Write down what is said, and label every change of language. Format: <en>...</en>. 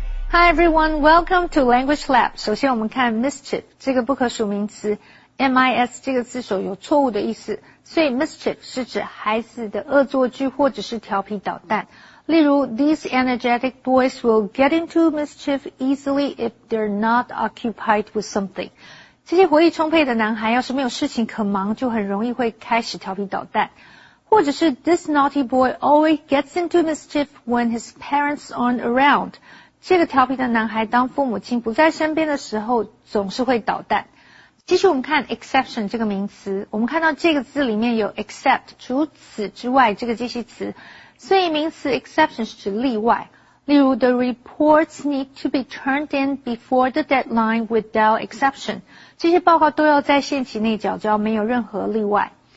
<zh>Hi everyone, welcome to Language Lab. 首先我们看 mischief 这个不可数名词 ,MIS 这个字首有错误的意思。所以 mischief 是指孩子的恶作剧或者是调皮捣蛋。</zh> <en>例如 ,these energetic boys will get into mischief easily if they're not occupied with something.</en> <zh>这些活力充沛的男孩要是没有事情可忙就很容易会开始调皮捣蛋。</zh> <en>或者是 ,this naughty boy always gets into mischief when his parents aren't around.</en> <zh>这个调皮的男孩当父母亲不在身边的时候总是会捣蛋。继续我们看 exception 这个名词，我们看到这个字里面有 except 除此之外这个介系词，所以名词 exception 是指例外。</zh> <en>例如 the reports need to be turned in before the deadline without exception，这些报告都要在限期内缴交，没有任何例外。</en>